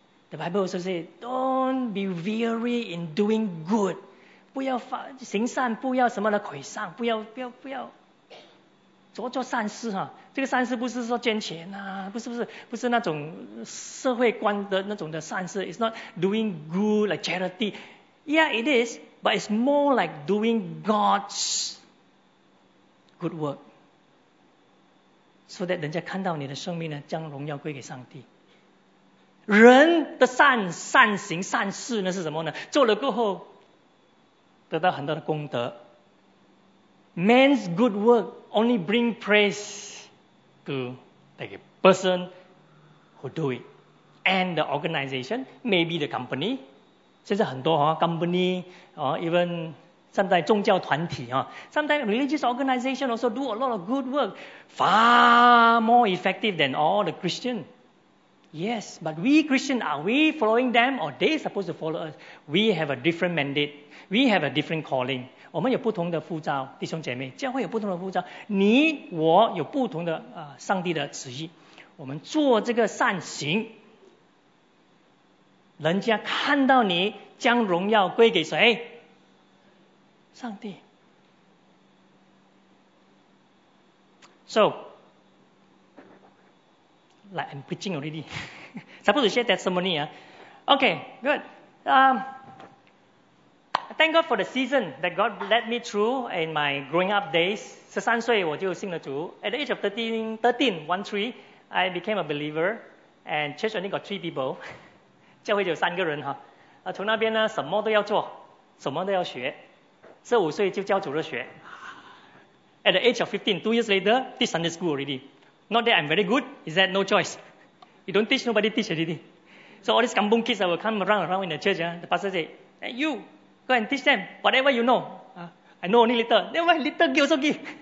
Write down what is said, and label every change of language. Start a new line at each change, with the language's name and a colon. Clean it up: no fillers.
English: The Bible also says, don't be weary in doing good.
Chinese: 不要发行善，不要什么的毁丧，不要做做善事哈。这个善事不是说捐钱啊，不是那种社会观的那种的善事。
English: It's not doing good like charity. Yeah, it is, but it's more like doing God's good work. so that
Chinese: 人家看到你的生命呢，将荣耀归给上帝。人的善行善事呢是什么呢？做了过后得到很多的功德。
English: Man's good work only bring praise to the person who do it and the organization, maybe the company.
Chinese: 现在很多、
English: 哦、company, even sometimes
Chinese: 宗教团体、
English: 哦、sometimes religious organization also do a lot of good work, far more effective than all the Christian. Yes, but we Christian, are we following them or they supposed to follow us? We have a different mandate. We have a different calling.
Chinese: 我们有不同的呼召，弟兄姐妹，教会有不同的呼召，你我有不同的、上帝的旨意，我们做这个善行，人家看到你将荣耀归给谁？上帝。
English: So like I'm preaching already. Supposed to share testimony、huh? Okay, good. Thank God for the season that God led me through in my growing up days.
Chinese: 13 岁我就信了主。
English: At the age of 13, I became a believer. And church only got 3 people.
Chinese: 教会只有三个人。从那边呢什么都要做，什么都要学。 15岁就教主日学。
English: At the age of 15, 2 years later, teach Sunday school already. Not that I'm very good, is that no choice. You don't teach, nobody teach already. So all these kampung kids that will come around in the church, the pastor say, hey, you! Go and teach them whatever you know.、I know only little. Then why little give also give?